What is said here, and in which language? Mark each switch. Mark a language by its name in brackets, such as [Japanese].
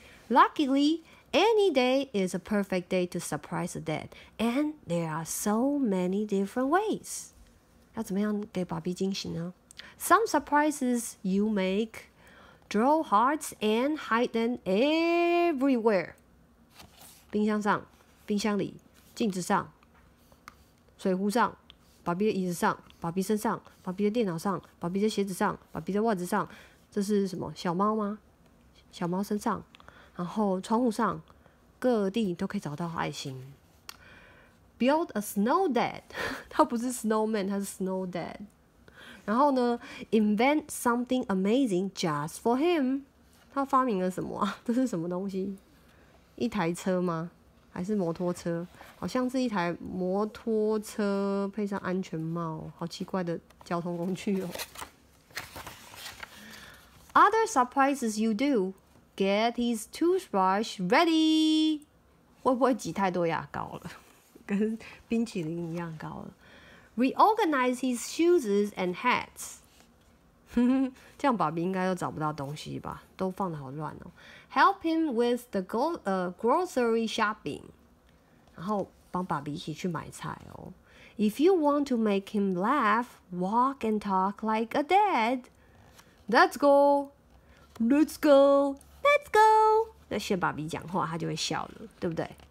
[English] Luckily, any day is a perfect day to surprise a dad, and there are so many different ways. [Chinese] 要怎么样给爸比惊喜呢? [English] Some surprises you make, draw hearts and hide them everywhere. [Chinese] 冰箱上、冰箱里、镜子上、水壶上。爸比的椅子上，爸比身上，爸比的电脑上，爸比的鞋子上，爸比的袜子上，这是什么？小猫吗？小猫身上，然后窗户上，各地都可以找到爱心。 [English] Build a snow dad， [Chinese] 它不是 [English] snowman， [Chinese] 它是 [English] snow dad。 [Chinese] 然后呢 ， [English] invent something amazing just for him， [Chinese] 他发明了什么啊？这是什么东西？一台车吗？还是摩托车，好像是一台摩托车配上安全帽，好奇怪的交通工具哦。 [English] Other surprises you do, get his toothbrush ready. [Chinese] 会不会挤太多牙膏了？跟冰淇淋一样高了。 [English] Reorganize his shoes and hats. [Chinese] 这样爸比应该都找不到东西吧？都放得好乱哦。 [English] Help him with the grocery shopping. [Chinese] 然后帮爸比一起去买菜哦。 [English] If you want to make him laugh, walk and talk like a dad. Let's go, let's go, let's go. [Chinese] 那学爸比讲话，他就会笑了，对不对？